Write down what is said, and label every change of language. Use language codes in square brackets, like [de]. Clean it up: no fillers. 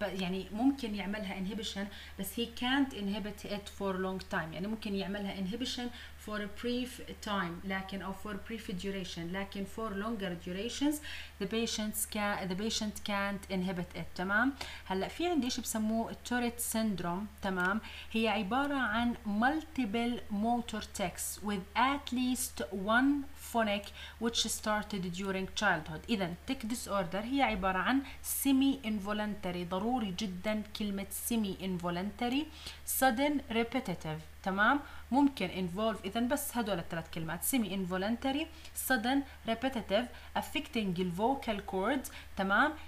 [ar] يعني ممكن يعملها inhibition بس [en] he can't inhibit it for long time. [ar] يعني ممكن يعملها inhibition [en] for a brief time [ar] لكن أو [en] for a brief duration، [ar] لكن [en] for longer durations the patient can't inhibit it. [ar] تمام. هلأ في عندي إشي بسموه Tourette syndrome. تمام. هي عبارة عن [en] multiple motor tics with at least one phonic which started during childhood. [ar] إذن [en] tic disorder [ar] هي عبارة عن [en] semi involuntary، [ar] ضروري جدا كلمة [en] semi involuntary، sudden repetitive. [ar] تمام. ممكن [en] involve [ar] إذن بس هدول الثلاث كلمات [en] semi involuntary sudden repetitive affecting the vocal cords. [ar] تمام.